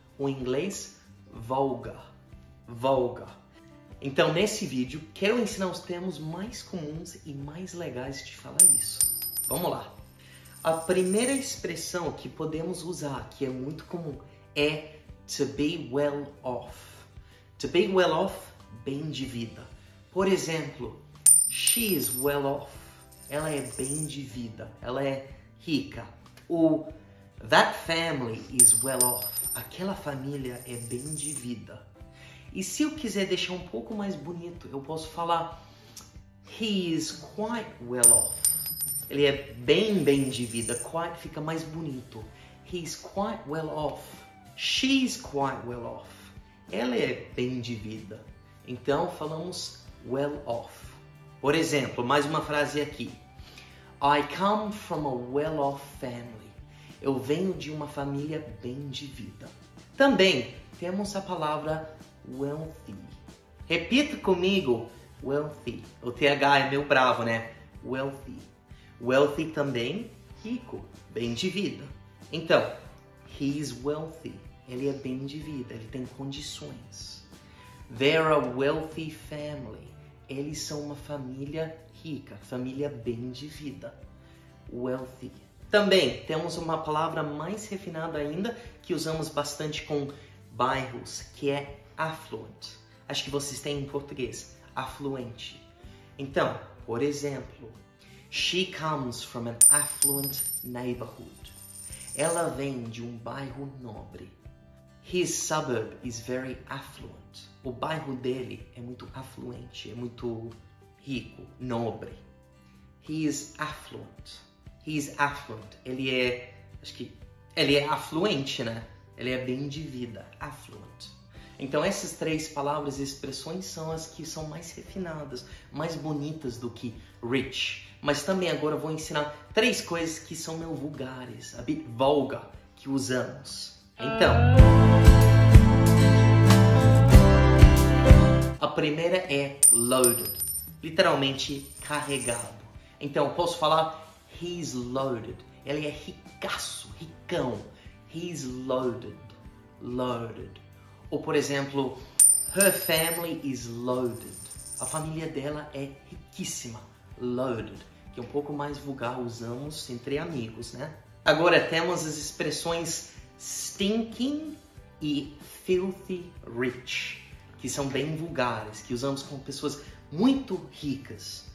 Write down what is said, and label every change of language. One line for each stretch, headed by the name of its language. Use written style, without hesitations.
Portuguese: O inglês, vulgar, vulgar. Então, nesse vídeo, quero ensinar os termos mais comuns e mais legais de falar isso. Vamos lá! A primeira expressão que podemos usar, que é muito comum, é to be well off.
English: To be well off,
Portuguese: bem de vida. Por exemplo,
English: she is well off.
Portuguese: Ela é bem de vida. Ela é rica. Ou that family is well off. Aquela família é bem de vida. E se eu quiser deixar um pouco mais bonito, eu posso falar
English: he is quite well off.
Portuguese: Ele é bem, bem de vida. Quite fica mais bonito.
English: He is quite well off. She is quite well off.
Portuguese: Ela é bem de vida. Então, falamos well off. Por exemplo, mais uma frase aqui.
English: I come from a well off family.
Portuguese: Eu venho de uma família bem de vida. Também temos a palavra wealthy. Repita comigo, wealthy. O TH é meio bravo, né? Wealthy. Wealthy também, rico, bem de vida. Então,
English: he is wealthy.
Portuguese: Ele é bem de vida, ele tem condições.
English: They're a wealthy family.
Portuguese: Eles são uma família rica, família bem de vida. Wealthy. Também temos uma palavra mais refinada ainda, que usamos bastante com bairros, que é affluent. Acho que vocês têm em português, afluente. Então, por exemplo,
English: she comes from an affluent neighborhood.
Portuguese: Ela vem de um bairro nobre.
English: His suburb is very affluent.
Portuguese: O bairro dele é muito afluente, é muito rico, nobre.
English: He is affluent. He is affluent.
Portuguese: Ele é, acho que, ele é afluente, né? Ele é bem de vida, affluent. Então, essas três palavras e expressões são as que são mais refinadas, mais bonitas do que rich. Mas também agora vou ensinar três coisas que são meio vulgares,
English: a bit vulgar,
Portuguese: que usamos. Então, a primeira é loaded, literalmente carregado. Então, posso falar
English: he's loaded.
Portuguese: Ele é ricaço, ricão.
English: He's loaded, loaded.
Portuguese: Ou, por exemplo,
English: her family is loaded.
Portuguese: A família dela é riquíssima, loaded. Que é um pouco mais vulgar, usamos entre amigos, né? Agora temos as expressões stinking e filthy rich, que são bem vulgares, que usamos com pessoas muito ricas.